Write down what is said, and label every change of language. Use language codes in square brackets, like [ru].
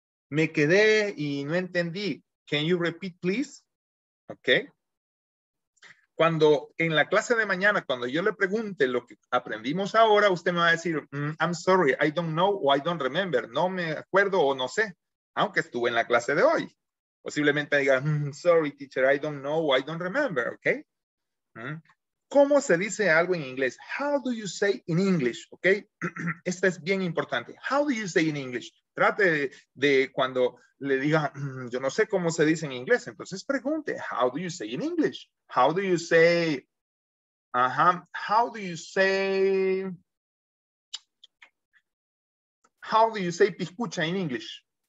[es] Me quedé y no entendí. [en] Can you repeat, please? Okay. [es] Cuando en la clase de mañana, cuando yo le pregunte lo que aprendimos ahora, usted me va a decir, [en] I'm sorry, I don't know or I don't remember. [es] No me acuerdo o no sé, aunque estuve en la clase de hoy. Posiblemente diga, [en] sorry, teacher, I don't know or I don't remember. [es] Okay. ¿Cómo se dice algo en inglés? [en] How do you say in English? ¿Ok? [es] Esta es bien importante. [en] How do you say in English? [es] Trate de cuando le diga, yo no sé cómo se dice en inglés. Entonces pregunte, [en] how do you say in English? How do you say, how do you say, how do you say piscucha in English?